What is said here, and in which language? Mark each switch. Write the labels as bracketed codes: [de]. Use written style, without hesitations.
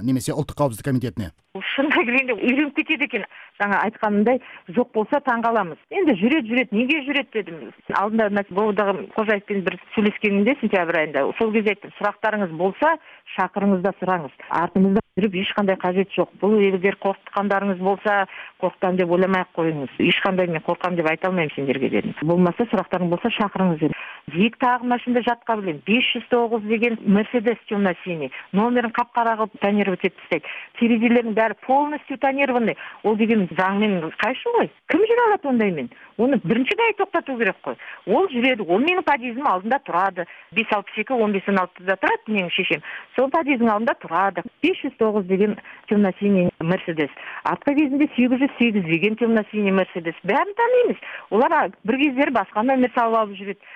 [kk] Немесе ұлттық қауіпсіздік комитетіне? Шынға келгенде үйреніп кетеді екен. Жаңа айтқанымдай, жоқ болса таңғаламыз. Енді жүреді, неге жүреді дедім. Алдында Волгадағы Қожаевпен бір сөйлескенімде сентябрь айында, сол кезде айттым, сұрақтарыңыз болса, шақырыңызда сұраңыз. Артымызда [ky] жүрүп ешкандай кажети жок. Бул эгер корккандарыңыз болсо, корктам деп ойломай ак коюңуз. Ешкандай мен коркам деп айта албайм сендерге дедим. Болмаса сурактарың болсо чакырыңыз деп. Жик тагы машинада жатка билем. 509 деген Mercedes [ru] темно синий. [ky] Номерин капкара кылып тонировать этип тастайт. Терезелердин баары [ru] полностью тонированный. [ky] Ол деген заң менен кайшы кой. Ким жүрө алат ондой мен? Уну биринчи гай токтотуу керек кой. Ол жүрөт, ол менин подъездим алдында турат. 562 1516да турат менин шешем. Сол подъездин алдында турат. 509 деген [ru] темно синий [ky] Mercedes. Артка кезинде 808 деген темно синий Mercedes. Баарын таанымыз. Улар бир кездер башка номер салып алып жүрөт.